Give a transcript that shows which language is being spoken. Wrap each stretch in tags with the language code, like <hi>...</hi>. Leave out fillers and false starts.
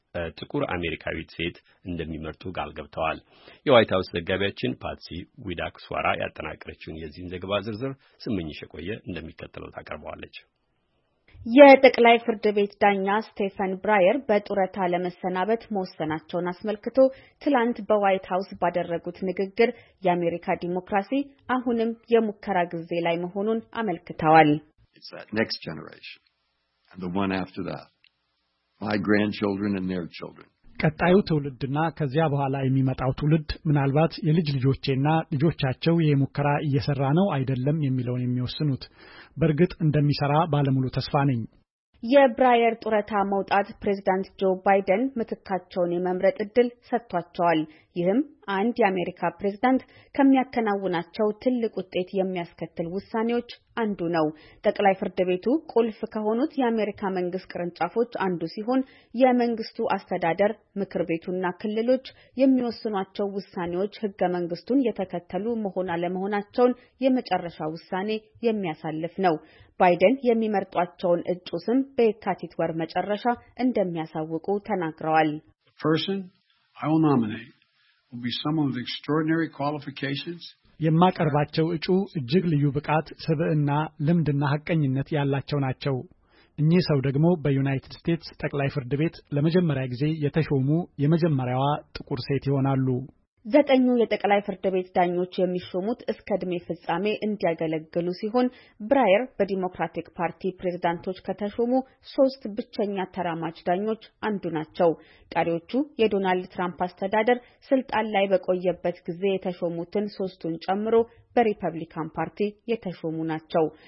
<am>ጥቁር አሜሪካዊት ሴት እንደሚመርጡ ቃል ገብተዋል። የዋይት ሀውስ ዘጋቢያችን ፓትሲ ዊዳክስዋራ ያጠናቀረችውን የዚህን ዘገባ ዝርዝር ስምኝሽ ቆየ እንደሚከተለው ታቀርባለች። የጠቅላይ ፍርድ ቤት ዳኛ ስቴፈን ብራየር በጡረታ ለመሰናበት መወሰናቸውን አስመልክቶ ትላንት በዋይት ሃውስ ባደረጉት ንግግር የአሜሪካ ዲሞክራሲ አሁንም የሙከራ ጊዜ ላይ መሆኑን አመልክተዋል።</am> <en>It's that next generation and the one after that. My grandchildren and their children.</en> <am>ቀጣዩ ትውልድና ከዚያ በኋላ የሚመጣው ትውልድ ምናልባት የልጅ ልጆቼና ልጆቻቸው የሙከራ እየሰራ ነው አይደለም የሚለውን የሚወስኑት በርግጥ እንደሚሰራ ባለሙሉ ተስፋ ነኝ። የብራየር ጡረታ መውጣት ፕሬዝዳንት ጆ ባይደን ምትካቸውን የመምረጥ እድል ሰጥቷቸዋል። ይህም አንድ የአሜሪካ ፕሬዝዳንት ከሚያከናውናቸው ትልቅ ውጤት የሚያስከትል ውሳኔዎች አንዱ ነው። ጠቅላይ ፍርድ ቤቱ ቁልፍ ከሆኑት የአሜሪካ መንግስት ቅርንጫፎች አንዱ ሲሆን የመንግስቱ አስተዳደር ምክር ቤቱና ክልሎች የሚወስኗቸው ውሳኔዎች ህገ መንግስቱን የተከተሉ መሆን አለመሆናቸውን የመጨረሻ ውሳኔ የሚያሳልፍ ነው። ባይደን የሚመርጧቸውን እጩስም በየካቲት ወር መጨረሻ እንደሚያሳውቁ ተናግረዋል።</am> <en>Person, I will nominate will be someone with extraordinary qualifications.</en> <am>የማቀርባቸው እጩ እጅግ ልዩ ብቃት ስብዕና ልምድና ሐቀኝነት ያላቸው ናቸው። እኚህ ሰው ደግሞ በዩናይትድ ስቴትስ ጠቅላይ ፍርድ ቤት ለመጀመሪያ ጊዜ የተሾሙ የመጀመሪያዋ ጥቁር ሴት ይሆናሉ። ዘጠኙ የጠቅላይ ፍርድ ቤት ዳኞች የሚሾሙት እስከ ድሜ ፍጻሜ እንዲያገለግሉ ሲሆን ብራየር በዲሞክራቲክ ፓርቲ ፕሬዝዳንቶች ከተሾሙ 3 ብቸኛ ተራማጅ ዳኞች አንዱ ናቸው። ቀሪዎቹ የዶናልድ ትራምፕ አስተዳደር ስልጣን ላይ በቆየበት ጊዜ የተሾሙትን 3ቱን ጨምሮ በሪፐብሊካን ፓርቲ የተሾሙ ናቸው።</am>